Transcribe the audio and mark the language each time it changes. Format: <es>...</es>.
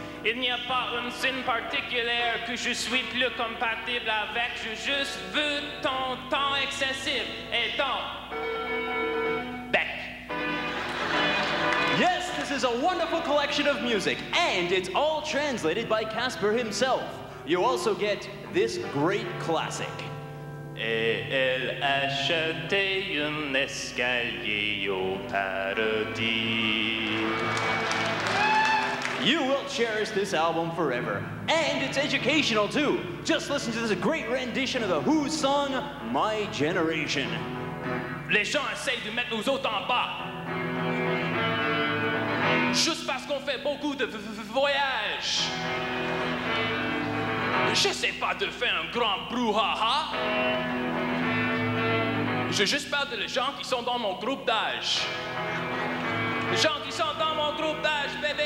<fr>Il n'y a pas un signe particulier que je suis plus compatible avec. Je juste veux ton temps excessif et ton...</fr> <en>Beck. Yes, this is a wonderful collection of music, and it's all translated by Casper himself. You also get this great classic.</en> <fr>Et elle achetait un escalier au paradis.</fr> <en>You will cherish this album forever. And it's educational, too. Just listen to this great rendition of the Who's song, My Generation.</en> <fr>Les gens essayent de mettre nous autres en bas. Juste parce qu'on fait beaucoup de voyages. J'essaie pas de faire un grand brouhaha. Je juste parle de les gens qui sont dans mon groupe d'âge. Les gens qui sont dans mon groupe d'âge, bébé.</fr>